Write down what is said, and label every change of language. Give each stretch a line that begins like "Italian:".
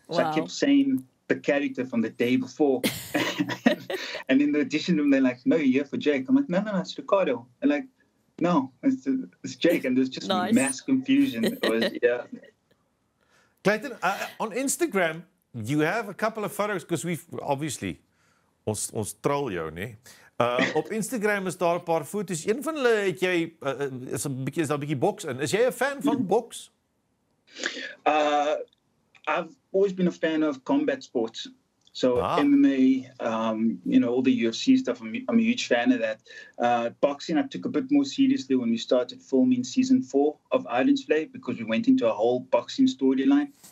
English: So I kept saying the character from the day before. And in the audition room, they're like, no, you're here for Jake. I'm like, no, it's Ricardo. And like, no, it's Jake. And there's just mass confusion. It was, yeah. Clayton, on Instagram, you have a couple of photos because we've obviously,
Afrikaans: ons troll jou, né? Op Instagram is daar 'n paar foto's. Een van hulle het jy is daar 'n bietjie boks in. Is jy 'n fan van boks?
English: I've always been a fan of combat sports. So MMA, you know, all the UFC stuff, I'm a huge fan of that. Boxing I took a bit more seriously when we started filming season 4 of Arendsvlei because we went into a whole boxing storyline.